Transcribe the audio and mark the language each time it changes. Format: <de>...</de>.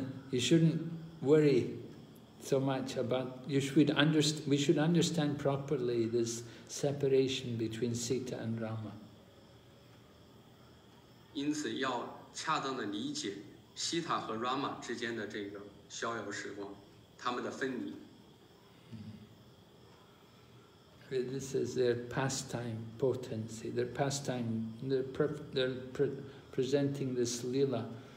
<en>you shouldn't worry so much about, we should understand properly this separation between Sita and Rama.</en> <zh>因此要恰当地理解西塔和Rama之间的这个逍遥时光，他们的分离。</zh> <en>This is their pastime potency, their pastime, they're presenting this Leela.</en>